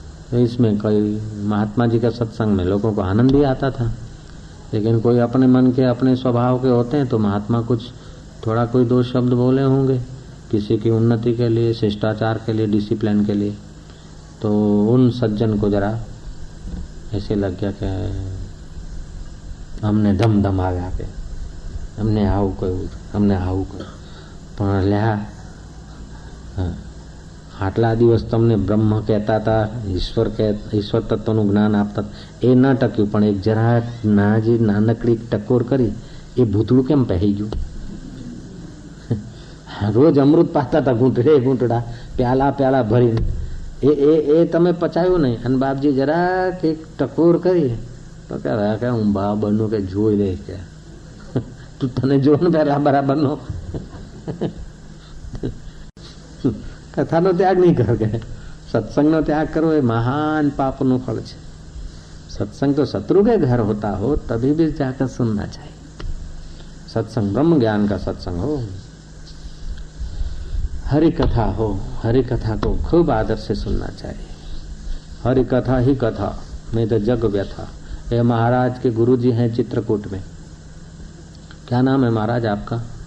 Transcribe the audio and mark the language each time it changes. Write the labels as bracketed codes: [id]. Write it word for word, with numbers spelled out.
[hi] तो इसमें कोई महात्मा जी का सत्संग में लोगों को आनंद भी आता था, लेकिन कोई अपने मन के अपने स्वभाव के होते हैं तो महात्मा कुछ थोड़ा कोई दो शब्द बोले होंगे किसी की उन्नति के लिए, शिष्टाचार के लिए, डिसिप्लिन के लिए, तो उन सज्जन को जरा ऐसे लग गया कि हमने धम धम आव्या के हमने आऊ कहू हमने आऊ कहू [gu] પણ લ્યા આટલા દિવસ તમને બ્રહ્મ કહેતા હતા, ઈશ્વર કે ઈશ્વર તત્વનું જ્ઞાન આપતા, એ ના ટક્યું, પણ એક જરા ના જે નાનકડી ટકોર કરી એ ભૂતળું કેમ પહેરી ગયું? રોજ અમૃત પાતા હતા ઘૂંટડે ઘૂંટડા પ્યાલા પ્યાલા ભરીને, એ એ એ તમે પચાવ્યું નહીં, અને બાપજી જરા કે ટકોર કરી તો કે રહ્યા કે હું બરાબરનું કે જોઈ લે કે તું તને જો ને પહેલા બરાબરનો કથાનો ત્યાગ નહીં કર કે સત્સંગનો ત્યાગ કરવો એ મહાન પાપનું ફળ છે। [hi] સત્સંગ तो शत्रु के घर होता हो तभी भी जाकर सुनना चाहिए। सत्संग ब्रह्म ज्ञान का सत्संग हो, हरि कथा हो, हरि कथा को खूब आदर से सुनना चाहिए। हरि कथा ही कथा में तो जग व्यथा। ये महाराज के गुरु जी हैं चित्रकूट में, क्या नाम है महाराज आपका?